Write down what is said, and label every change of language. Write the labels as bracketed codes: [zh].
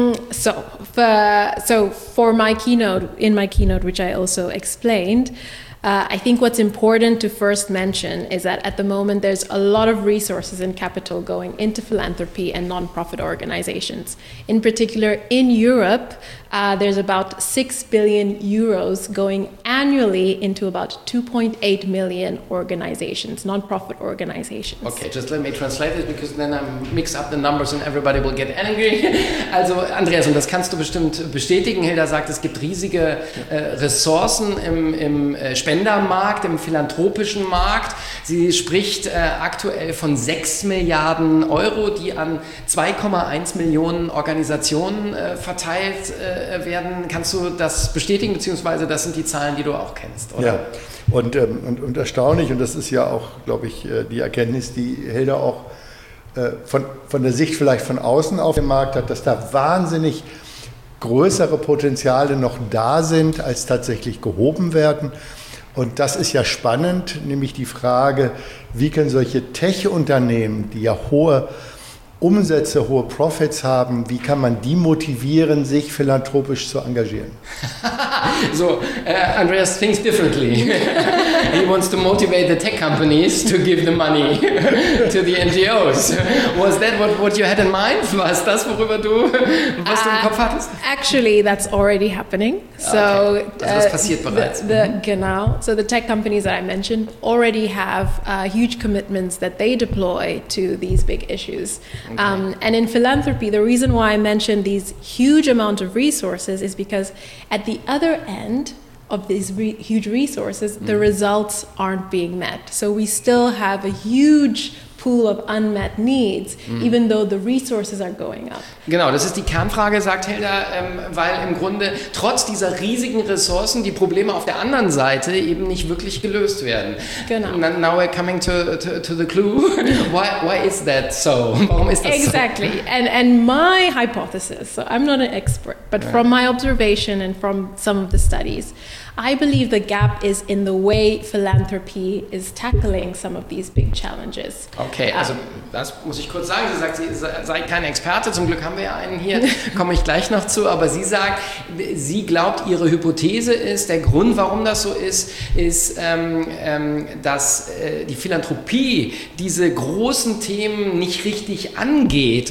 [en] So for my keynote, which I also explained, I think what's important to first mention is that at the moment there's a lot of resources and capital going into philanthropy and nonprofit organizations. In particular, in Europe, there's about 6 billion euros going annually into about 2.8 million organizations, nonprofit organizations. Okay, just let me translate it, because then I mix up the numbers and everybody will get angry. [de] Also Andreas, und das kannst du bestimmt bestätigen, Hilda sagt, es gibt riesige Ressourcen im Spendermarkt, im philanthropischen Markt. Sie spricht aktuell von 6 Milliarden Euro, die an 2,1 Millionen Organisationen verteilt werden. Kannst du das bestätigen, beziehungsweise das sind die Zahlen, die du auch kennst, oder? Ja, und erstaunlich, und das ist ja auch, glaube ich, die Erkenntnis, die Hilda auch von der Sicht vielleicht von außen auf dem Markt hat, dass da wahnsinnig größere Potenziale noch da sind, als tatsächlich gehoben werden. Und das ist ja spannend, nämlich die Frage, wie können solche Tech-Unternehmen, die ja hohe Umsätze, hohe Profits haben, wie kann man die motivieren, sich philanthropisch zu engagieren? [en] So, Andreas thinks differently. He wants to motivate the tech companies to give the money to the NGOs. Was that what you had in mind? [de] Was das, worüber du, was du im Kopf hattest? [en] Actually, that's already happening. So, okay. [de] Also das passiert bereits. Genau. [en] So the tech companies that I mentioned already have huge commitments that they deploy to these big issues. Okay. And in philanthropy, the reason why I mentioned these huge amount of resources is because at the other end of these huge resources, the results aren't being met. So we still have a huge pool of unmet needs, even though the resources are going up. [de] Genau, das ist die Kernfrage, sagt Hilda, weil im Grunde trotz dieser riesigen Ressourcen die Probleme auf der anderen Seite eben nicht wirklich gelöst werden. Genau. [en] Now we're coming to the clue. Why is that so? [de] Warum ist das [en] exactly. [de] so? [en] Exactly. And my hypothesis, so I'm not an expert, but from my observation and from some of the studies, I believe the gap is in the way philanthropy is tackling some of these big challenges. [de] Okay, also das muss ich kurz sagen. Sie sagt, sie sei kein Experte. Zum Glück haben wir ja einen hier. Komme ich gleich noch zu. Aber sie sagt, sie glaubt, ihre Hypothese ist, der Grund, warum das so ist, ist, dass die Philanthropie diese großen Themen nicht richtig angeht.